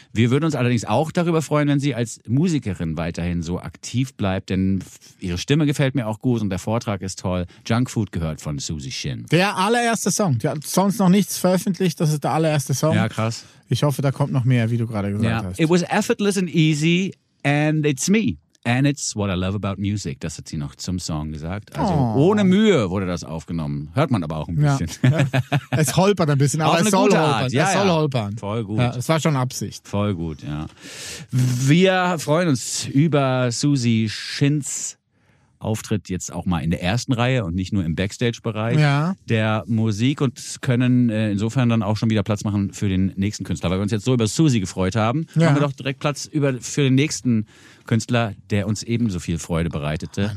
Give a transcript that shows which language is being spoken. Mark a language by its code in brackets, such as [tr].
[de] Wir würden uns allerdings auch darüber freuen, wenn sie als Musikerin weiterhin so aktiv bleibt, denn ihre Stimme gefällt mir auch gut und der Vortrag ist toll. Junkfood gehört von Susie Shin. Der allererste Song. Die hat sonst noch nichts veröffentlicht, das ist der allererste Song. Ja, krass. Ich hoffe, da kommt noch mehr, wie du gerade gesagt hast. [en] It was effortless and easy and it's me. And it's what I love about music. [de] Das hat sie noch zum Song gesagt. Also ohne Mühe wurde das aufgenommen. Hört man aber auch ein bisschen. Ja. Es holpert ein bisschen, aber es soll holpern. Ja, es soll holpern. Voll gut. Ja, es war schon Absicht. Voll gut, ja. Wir freuen uns über Susie Shins Auftritt jetzt auch mal in der ersten Reihe und nicht nur im Backstage-Bereich der Musik und können insofern dann auch schon wieder Platz machen für den nächsten Künstler, weil wir uns jetzt so über Susie gefreut haben, machen wir doch direkt Platz für den nächsten Künstler, der uns ebenso viel Freude bereitete.